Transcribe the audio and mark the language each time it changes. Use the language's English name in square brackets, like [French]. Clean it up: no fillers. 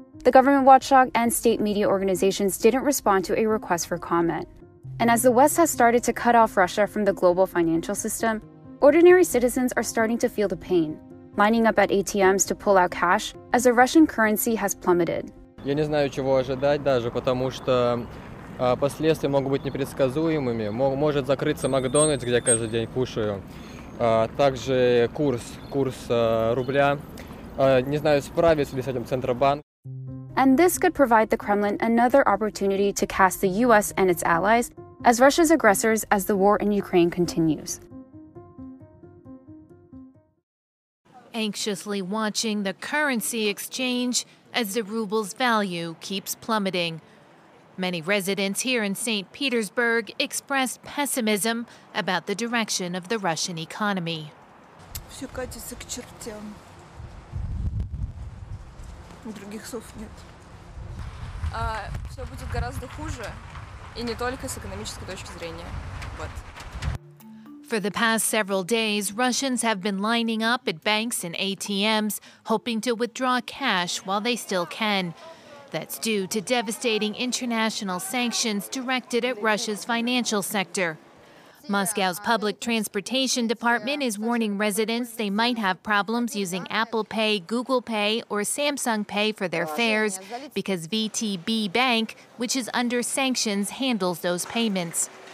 [English] The government watchdog and state media organizations didn't respond to a request for comment. And as the West has started to cut off Russia from the global financial system, ordinary citizens are starting to feel the pain, lining up at ATMs to pull out cash as the Russian currency has plummeted. [Russian] Я не знаю, чего ожидать даже, потому что последствия могут быть непредсказуемыми. Может закрыться Макдональдс, где я каждый день кушаю. Также курс рубля. Не знаю, справится ли с этим Центробанк. [English] And this could provide the Kremlin another opportunity to cast the US and its allies as Russia's aggressors as the war in Ukraine continues. Anxiously watching the currency exchange as the ruble's value keeps plummeting. Many residents here in St. Petersburg expressed pessimism about the direction of the Russian economy. [Russian] Все катится к чертям. Других слов нет. Все будет гораздо хуже, и не только с экономической точки зрения. Вот. [English] For the past several days, Russians have been lining up at banks and ATMs, hoping to withdraw cash while they still can. That's due to devastating international sanctions directed at Russia's financial sector. Moscow's public transportation department is warning residents they might have problems using Apple Pay, Google Pay, or Samsung Pay for their fares because VTB Bank, which is under sanctions, handles those payments.